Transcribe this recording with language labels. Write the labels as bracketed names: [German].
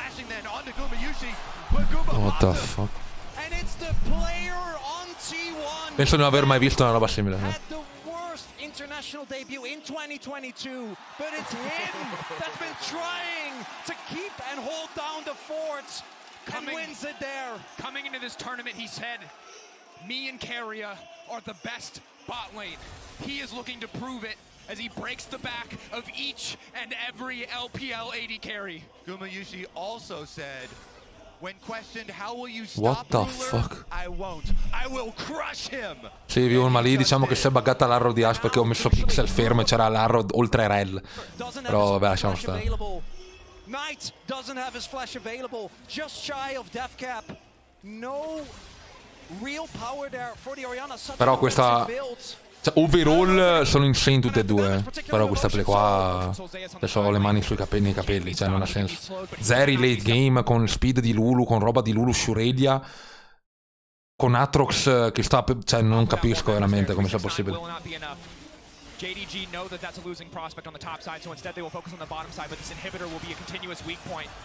[English] What the fuck? And it's the player on T1. [Italian] Penso di non aver mai visto una roba simile. [English] Had the worst international debut in 2022, but it's him that's been trying to keep and hold down the fort and wins it there. Coming into this tournament, he said, "Me and Karia are the best bot lane." He is looking to prove it as he breaks the back of each and every LPL AD carry. Guma Yushi also said, when questioned how will you stop the Ruler, fuck? I won't. I will crush him. [Italian] Sì, vi ma lì diciamo che si è buggata l'arrow di Ash perché ho messo pixel fermo e c'era l'arrow oltre Rell. Però vabbè, lasciamo stare. [English] Knight doesn't have his flash available, just shy of death cap. No real power there for the Orianna. [Italian] Però questa, cioè, overall sono insane tutte e due. Però questa play qua, adesso ho le mani sui capelli, nei capelli. Cioè non ha senso. Zeri late game con speed di Lulu, con roba di Lulu, Shurelia, con Aatrox che sta, cioè non capisco veramente come sia possibile. [English] JDG know that that's a losing prospect on the top side, so instead they will focus on the bottom side, but this inhibitor will be a continuous weak point.